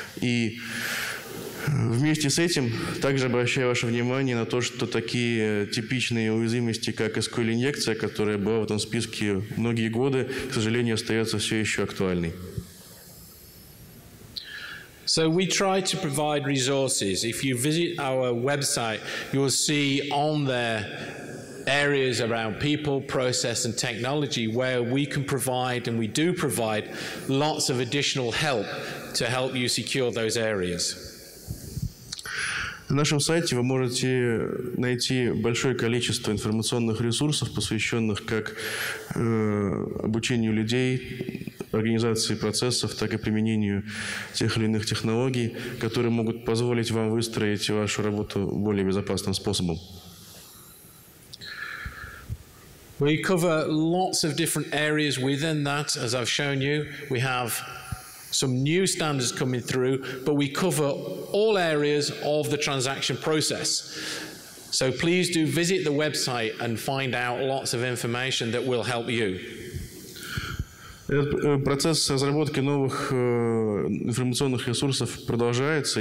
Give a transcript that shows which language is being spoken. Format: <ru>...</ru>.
<ru>И вместе с этим также обращаю ваше внимание на то, что такие типичные уязвимости, как SQL-инъекция, которая была в этом списке многие годы, к сожалению, остается все еще актуальной.</ru> <en>So we try to provide resources. If you visit our website, you'll see on there areas around people, process, and technology where we can provide, and we do provide, lots of additional help to help you secure those areas.</en> <ru>На нашем сайте вы можете найти большое количество информационных ресурсов, посвященных как обучению людей, организации процессов, так и применению тех или иных технологий, которые могут позволить вам выстроить вашу работу более безопасным способом.</ru> <en>We cover lots of different areas within that, as I've shown you. We have some new standards coming through, but we cover all areas of the transaction process. So please do visit the website and find out lots of information that will help you.</en> <ru>Этот процесс разработки новых информационных ресурсов продолжается.</ru>